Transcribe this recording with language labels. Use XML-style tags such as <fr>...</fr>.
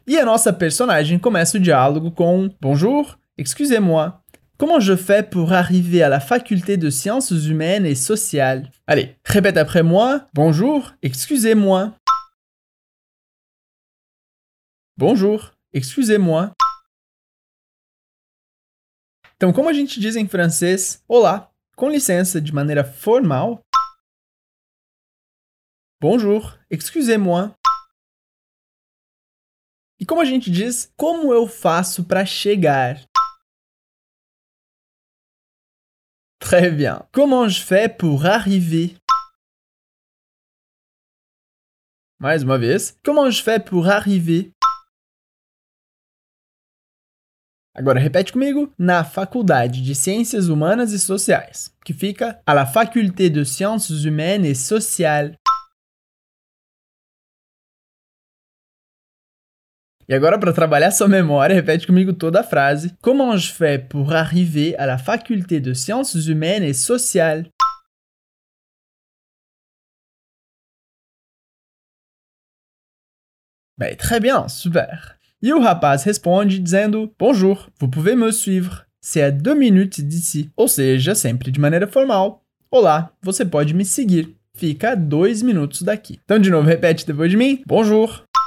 <pt>E a nossa personagem começa o diálogo com...</pt> <fr>Bonjour, excusez-moi. Comment je fais pour arriver à la faculté de sciences humaines et sociales? Allez, répète après moi. Bonjour, excusez-moi. Bonjour, excusez-moi.</fr> <pt>Então, como a gente diz em francês, olá, com licença, de maneira formal.</pt> <fr>Bonjour, excusez-moi.</fr> <pt>E como a gente diz, como eu faço para chegar?</pt> <fr>Très bien. Comment je fais pour arriver?</fr> <pt>Mais uma vez.</pt> <fr>Comment je fais pour arriver?</fr> <pt>Agora repete comigo. Na faculdade de ciências humanas e sociais, que fica</pt> <fr>à la faculté de sciences humaines et sociales.</fr> <pt>E agora, para trabalhar sua memória, repete comigo toda a frase.</pt> <fr>Comment je fais pour arriver à la faculté de sciences humaines et sociales?</fr> <pt>Bem,</pt> <fr>très bien, super.</fr> <pt>E o rapaz responde dizendo,</pt> <fr>bonjour, vous pouvez me suivre, c'est à 2 minutes d'ici.</fr> <pt>Ou seja, sempre de maneira formal. Olá, você pode me seguir, fica a 2 minutos daqui. Então, de novo, repete depois de mim,</pt> <fr>bonjour.</fr>